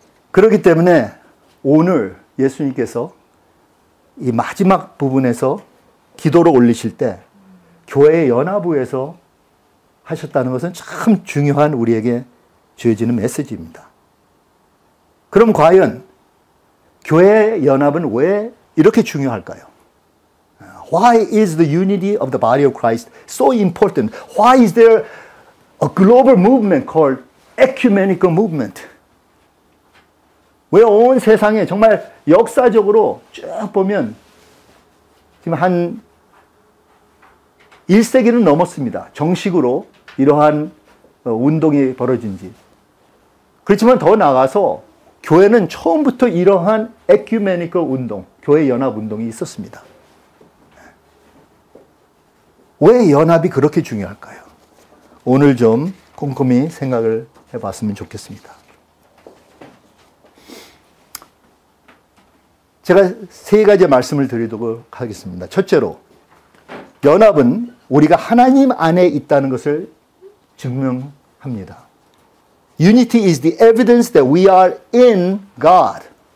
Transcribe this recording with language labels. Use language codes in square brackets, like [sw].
[ko] 그렇기 때문에 오늘 예수님께서 이 마지막 부분에서 기도를 올리실 때 교회의 연합회에서 하셨다는 것은 참 중요한 우리에게 주어지는 메시지입니다. 그럼 과연 교회의 연합은 왜 이렇게 중요할까요? [en] Why is the unity of the body of Christ so important? Why is there a global movement called ecumenical movement? [ko] 왜 온 세상에 정말 역사적으로 쭉 보면 지금 한 1세기는 넘었습니다. 정식으로 이러한 운동이 벌어진 지. 그렇지만 더 나아가서 교회는 처음부터 이러한 ecumenical 운동, 교회 연합 운동이 있었습니다. 왜 연합이 그렇게 중요할까요? 오늘 좀 꼼꼼히 생각을 해봤으면 좋겠습니다. 제가 세 가지 말씀을 드리도록 하겠습니다. 첫째로, 연합은 우리가 하나님 안에 있다는 것을 증명합니다. [en] Unity is the evidence that we are in God.